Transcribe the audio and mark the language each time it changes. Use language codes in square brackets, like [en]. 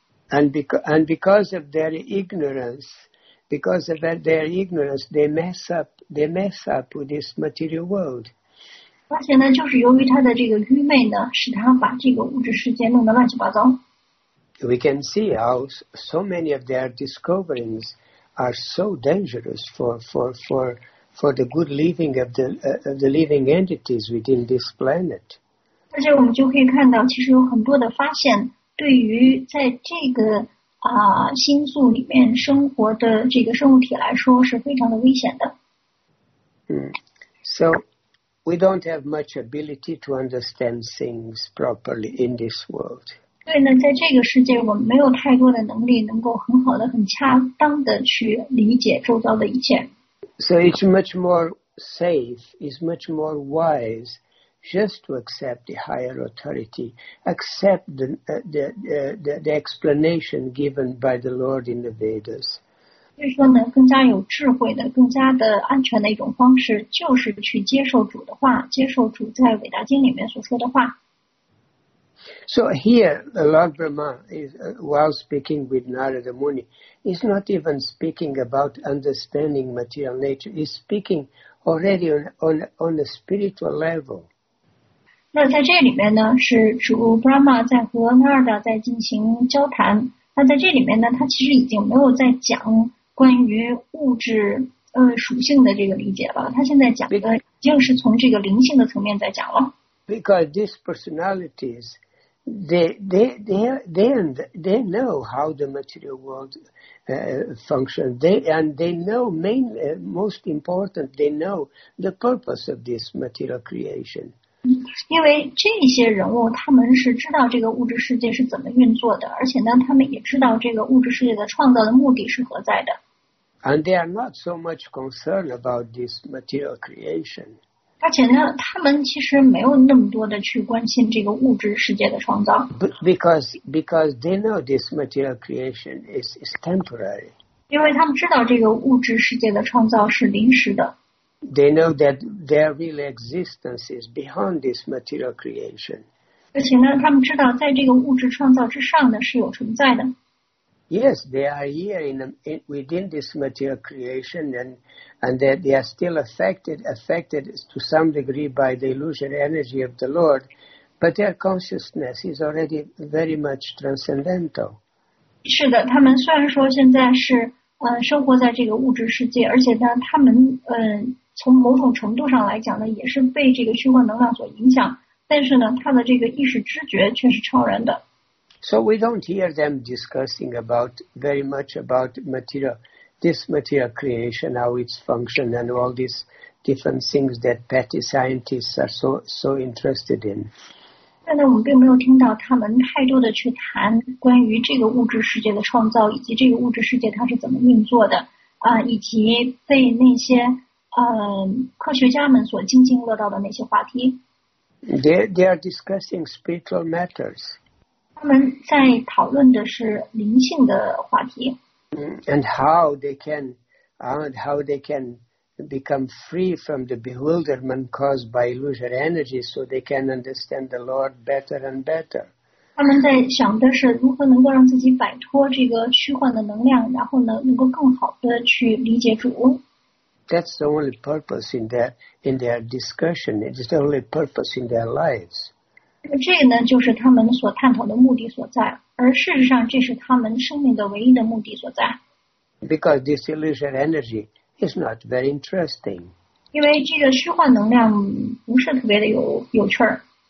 [en] And because of their ignorance, because of their ignorance, they mess up with this material world. [zh] 而且呢，就是由于他的这个愚昧呢，使他把这个物质世界弄得乱七八糟。 [en] We can see how so many of their discoveries are so dangerous for the good living of the living entities within this planet. [zh] 而且我们就可以看到，其实有很多的发现。对于在这个星宿里面生活的这个生物体来说是非常的危险的。 [en] So we don't have much ability to understand things properly in this world. [zh] 对呢，在这个世界我们没有太多的能力能够很好的、很恰当的去理解周遭的一切。 [en] So it's much more safe, it's much more wise. Just to accept the higher authority, accept the explanation given by the Lord in the Vedas. [zh] 就是说呢，更加有智慧的、更加的安全的一种方式，就是去接受主的话，接受主在伟大经里面所说的话。 [en] So here, Lord Brahma is while speaking with Narada Muni, is not even speaking about understanding material nature. He's speaking already on a spiritual level. [zh] 那在这里面呢，是主 Brahma 在和 Narada 在进行交谈。那在这里面呢，他其实已经没有在讲关于物质属性的这个理解了。他现在讲的已经是从这个灵性的层面在讲了。 [en] Because these personalities, they know how the material world functions. They know most important. They know the purpose of this material creation. [zh] 因为这些人物他们是知道这个物质世界是怎么运作的，而且呢他们也知道这个物质世界的创造的目的是何在的。 [en] And they are not so much concerned about this material creation. [zh] 而且呢他们其实没有那么多的去关心这个物质世界的创造。 [en] Because they know this material creation is temporary. [zh] 因为他们知道这个物质世界的创造是临时的。 [en] They know that their real existence is beyond this material creation. [zh] 而且呢，他们知道在这个物质创造之上呢是有存在的。 [en] Yes, they are here within this material creation, and that they are still affected to some degree by the illusory energy of the Lord, but their consciousness is already very much transcendental. [zh] 是的，他们虽然说现在是生活在这个物质世界，而且呢，他们从某种程度上来讲呢，也是被这个虚幻能量所影响，但是呢，他的这个意识知觉却是超然的。 [en] So we don't hear them discussing about very much about material, this material creation, how it's function, and all these different things that petty scientists are so interested in. [zh] 但呢，我们并没有听到他们太多的去谈关于这个物质世界的创造，以及这个物质世界它是怎么运作的啊，以及被那些科学家们所津津乐道的那些话题。 [en] They are discussing spiritual matters. [zh] 他们在讨论的是灵性的话题。 [en] And how they can become free from the bewilderment caused by illusory energy, so they can understand the Lord better and better. [zh] 他们在想的是如何能够让自己摆脱这个虚幻的能量，然后呢，能够更好的去理解主。 [en] That's the only purpose in their discussion. It's the only purpose in their lives. [zh] 这个呢，就是他们所探讨的目的所在。而事实上，这是他们生命的唯一的目的所在。 [en] Because this illusion energy is not very interesting. [zh] 因为这个虚幻能量不是特别的有趣儿。